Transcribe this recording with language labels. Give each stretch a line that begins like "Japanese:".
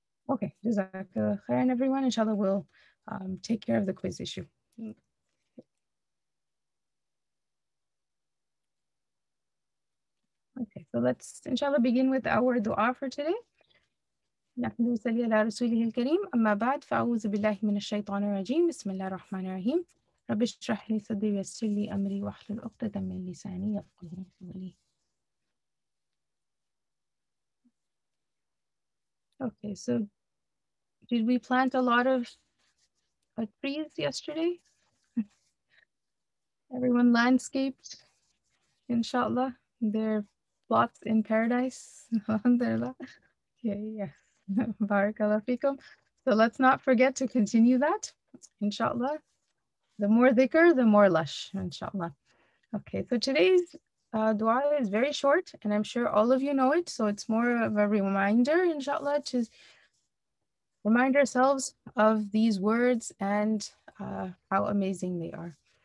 English: Okay. Jazakallah khair, and everyone, inshallah, we'll take care of the quiz issue. Okay, so let's, inshallah, begin with our dua for today.
Arabic: نحن نصلي على رسوله الكريم أما بعد فأعوذ بالله من الشيطان الرجيم بسم الله الرحمن الرحيم رب اشرح لي صدري ويسر لي أمري واحلل عقدة من لساني يفقهوا قولي
English: Okay, so did we plant a lot of trees yesterday? Everyone landscaped, inshallah, their plots in paradise, alhamdulillah. Yeah. Barakallahu feekum. So let's not forget to continue that, inshallah. The more dhikr, the more lush, inshallah. Okay, so today's dua is very short, and I'm sure all of you know it, so it's more of a reminder, inshallah, to remind ourselves of these words and how amazing they are.